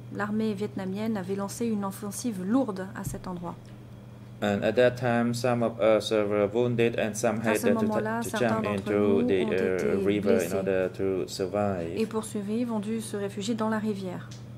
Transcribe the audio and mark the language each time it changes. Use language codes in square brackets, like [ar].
[fr] L'armée vietnamienne avait lancé une offensive lourde à cet endroit. [en] And at that time, some of us were wounded and some had to jump into the river in order to survive. [fr] Et pour survivre, ont dû se réfugier dans la rivière.